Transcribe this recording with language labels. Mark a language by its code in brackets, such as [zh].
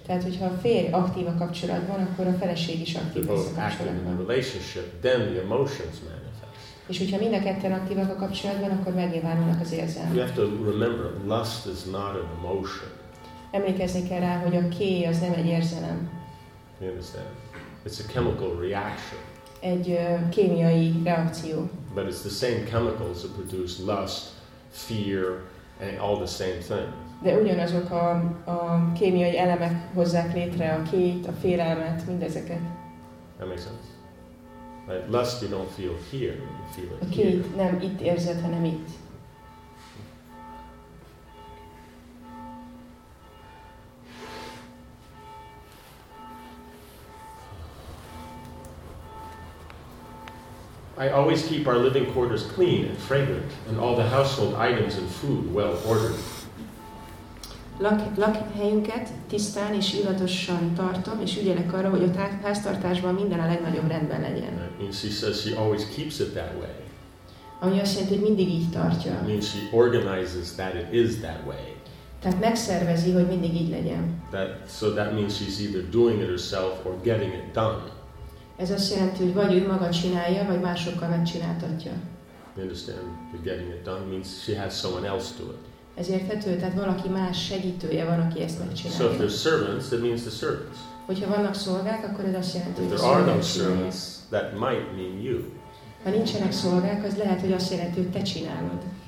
[hu] Tehát, hogyha a férj aktív a kapcsolatban, akkor a feleség is aktív lesz a kapcsolatban. [en] They're both active in the relationship, then the emotions manifest. [hu] És hogyha mind a ketten aktívak a kapcsolatban, akkor megnyilvánulnak az érzelmek. [en] You have to remember, lust is not an emotion. [hu] Emlékezni kell rá, hogy a kéj az nem egy érzelem. [en] You understand? It's a chemical reaction. [hu] Egy kémiai reakció. [en] But it's the same chemicals that produce lust, fear, and all the same thing. [hu] De ugyanazok a kémiai elemek hozzák létre a két, a félelmet, mindezeket. [en] That makes sense. Right? Lust you don't feel here, you feel it [hu] a két [en] here. [hu] Nem itt érzed, hanem itt. [en] I always keep our living quarters clean and fragrant, and all the household items and food well ordered. [hu] Lakhelyünket tisztán és illatosan tartom, és ügyelek arra, hogy a háztartásban minden a legnagyobb rendben legyen. [en] And she says she always keeps it that way. [hu] Ami azt jelenti, hogy mindig így tartja. [en] And she organizes that it is that way. [hu] Tehát megszervezi, hogy mindig így legyen. [en] So that means she's either doing it herself or getting it done. [hu] Ez azt jelenti, hogy vagy ő maga csinálja, vagy másokkal megcsináltatja. [en] You understand that getting it done means she has someone else do it. [hu] Ez érthető, tehát valaki más segítője van, aki ezt megcsinálja. [en] So if there's servants, that means the servants. [hu] Hogyha vannak szolgák, akkor ez azt jelenti, hogy szolgák. [en] If there are no servants, that might mean you. [hu] Ha nincsenek szolgák, az lehet, hogy azt jelenti, hogy te csinálod.